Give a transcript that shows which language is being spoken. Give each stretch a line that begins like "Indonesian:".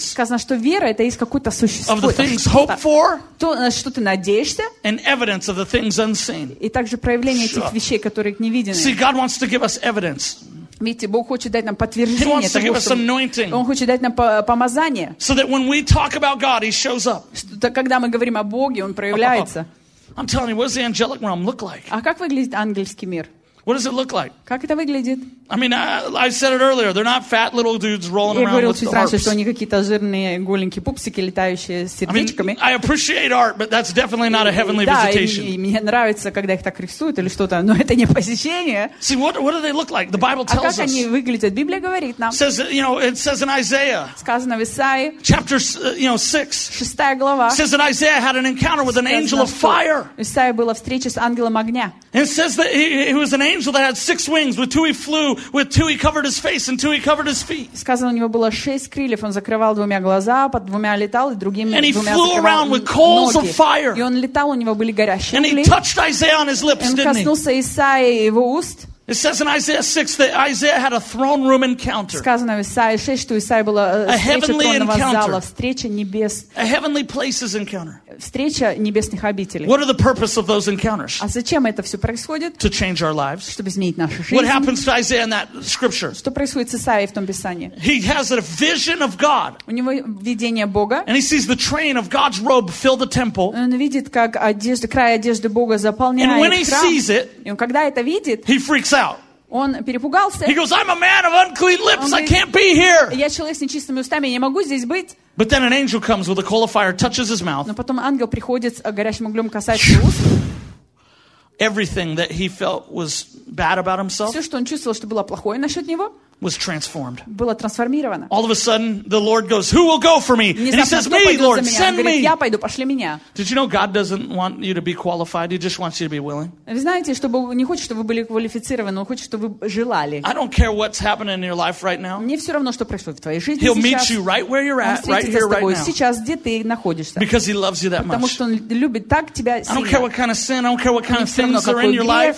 Russian: Сказано, что вера это есть какое-то существо.
English: Of the things hoped for.
Russian: То, на что ты надеешься.
English: And evidence of the things unseen.
Russian: И также проявление этих вещей, которые не видены.
English: See, God wants to give us evidence.
Russian: Видите, Бог хочет дать нам подтверждение того, что Он хочет дать нам помазание.
English: So that when we talk about God, He shows up.
Russian: Когда мы говорим о Боге, Он проявляется.
English: I'm telling you, what does the angelic realm look like?
Russian: А как выглядит ангельский мир?
English: What does it look like?
Russian: Как это выглядит?
English: I mean, I said it earlier. They're not fat little dudes rolling around with harps.
Russian: Я говорил, что они какие-то жирные голенькие пупсики, летающие с сердечками.
English: I appreciate art, but that's definitely not a heavenly visitation.
Russian: Да, и мне нравится, когда их так рисуют или что-то, но это не посещение.
English: See, what do they look like? The Bible tells us.
Russian: А как они выглядят? Библия говорит нам.
English: Says, you know, it says in Isaiah.
Russian: Сказано в Исаии.
English: Chapter, you know, 6.
Russian: Шестая глава.
English: Says that Isaiah had an encounter with an angel of fire.
Russian: Исаия была встреча с ангелом огня.
English: And says that he was an angel. Angel that had six wings. With two he flew. With two he covered his face, and two he covered his feet.
Russian: Сказано, у него было шесть крыльев. Он закрывал двумя глаза, под двумя летал и другими.
English: And he flew around with coals of fire.
Russian: И он летал, у него были горящие.
English: And he touched Isaiah on his lips, didn't he?
Russian: Он коснулся Исаии его уст.
English: It says in Isaiah 6 that Isaiah had a throne room encounter.
Russian: Сказано в Исаии 6, что Исаия была встреча небес.
English: A heavenly places encounter.
Russian: Встреча небесных обителей.
English: What are the purpose of those encounters?
Russian: А зачем это все происходит?
English: To change our lives.
Russian: Чтобы изменить нашу жизнь.
English: What happens to Isaiah in that scripture?
Russian: Что происходит с Исаией в том писании?
English: He has a vision of God.
Russian: У него видение Бога.
English: And he sees the train of God's robe fill the temple.
Russian: Он видит, как одежда, край одежды Бога заполняет храм.
English: And when he sees it,
Russian: и он когда это видит,
English: he freaks out.
Russian: Он перепугался.
English: He goes, I'm a man of unclean lips. I can't be here.
Russian: Я человек с нечистыми устами, я не могу здесь быть.
English: But then an angel comes with a coal of fire, touches his mouth.
Russian: Но потом ангел приходит с горящим углем, касается уст.
English: Everything that he felt was bad about himself.
Russian: Все, что он чувствовал, что было плохое насчет него.
English: Was transformed.
Russian: Было трансформировано.
English: All of a sudden, the Lord goes, "Who will go for me?" And he says, "Me, Lord, send me."
Russian: Я пойду, пошли меня.
English: Did you know God doesn't want you to be qualified? He just wants you to be willing.
Russian: Вы знаете, что Бог не хочет, чтобы вы были квалифицированы, он хочет, чтобы вы желали.
English: I don't care what's happening in your life right now.
Russian: Мне все равно, что происходит в твоей жизни сейчас.
English: He'll meet you right where you're at, right here, right now.
Russian: Сейчас, где ты находишься.
English: Because he loves you that much.
Russian: Потому что он любит так тебя сильно.
English: I don't care what kind of sin, I don't care what kind of things are in your life.